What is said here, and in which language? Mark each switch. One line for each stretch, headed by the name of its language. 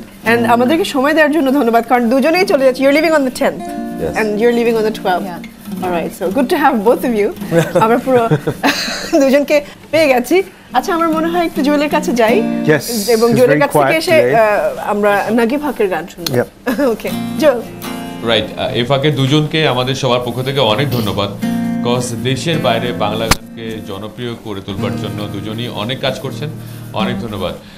Bangla: And আমাদেরকে সময় দেওয়ার জন্য ধন্যবাদ, কারণ দুজনেই চলে যাচ্ছি.
English: You're leaving on the 10th. Yes. And you're leaving on the 12th. Yeah. All right, so good to have both of you.
Bangla: আমরা পুরো দুজনকে পেয়ে গেছি. আচ্ছা, আমার মনে হয় একটু জুয়েলের কাছে যাই.
English: Yes.
Bangla: এবং জুয়েলের কাছে এসে আমরা নাগিব হকের গান শুনব.
English: Yep. Okay. জো. Right.
Bangla: এই ফাঁকে দুজনকে আমাদের সবার পক্ষ থেকে অনেক ধন্যবাদ. কজ দেশের বাইরে বাংলা গানকে জনপ্রিয় করে তোলবার জন্য দুজনই অনেক কাজ করছেন. অনেক ধন্যবাদ.